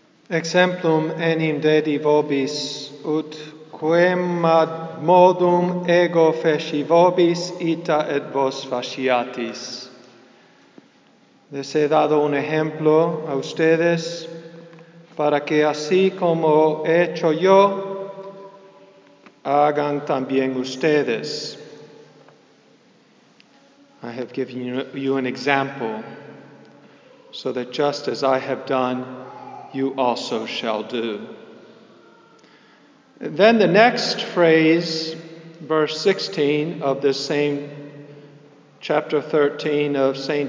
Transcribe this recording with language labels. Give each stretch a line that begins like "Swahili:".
Latin: Exemplum enim dedi vobis, ut quem ad modum ego feci vobis ita et vos faciatis.
Spanish: Les he dado un ejemplo a ustedes para que así como he hecho yo, hagan también ustedes.
English: I have given you an example so that just as I have done, you also shall do. Then the next phrase, verse 16 of this same chapter 13 of St.